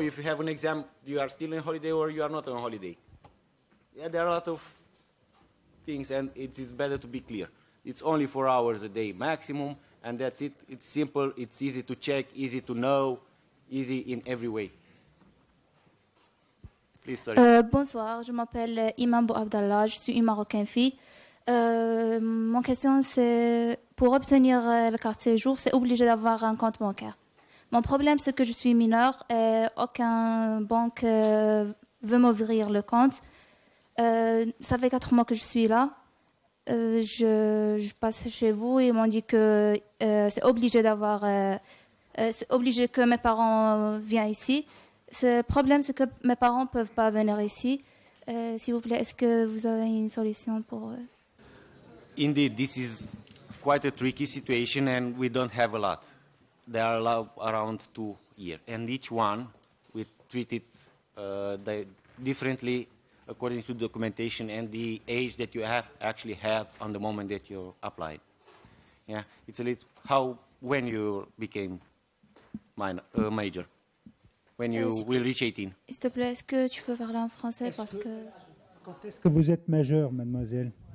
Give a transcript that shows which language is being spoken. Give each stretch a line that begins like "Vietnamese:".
English: If you have an exam, you are still on holiday or you are not on holiday. Yeah, there are a lot of things, and it is better to be clear. It's only 4 hours a day maximum, and that's it. It's simple. It's easy to check, easy to know, easy in every way.
French: Bonsoir, je m'appelle Imam Abdallah, je suis une Marocaine fille. Mon question c'est, pour obtenir le carte séjour, c'est obligé d'avoir un compte bancaire. Mon problème c'est que je suis mineure et aucun banque veut m'ouvrir le compte. Ça fait 4 mois que je suis là. Je passe chez vous et ils m'ont dit que c'est obligé que mes parents viennent ici. Ce problème, c'est que mes parents ne peuvent pas venir ici. S'il vous plaît, est-ce que vous avez une solution pour eux?
English: Indeed, this is quite a tricky situation and we don't have a lot. There are around 2 years. And each one, we treat it differently according to documentation and the age that you have actually had on the moment that you applied. Yeah, it's a little how when you became minor, major. When you will reach 18.
French: S'il te plaît, est-ce que tu peux parler en français parce que... Quand est-ce que vous êtes majeure, mademoiselle?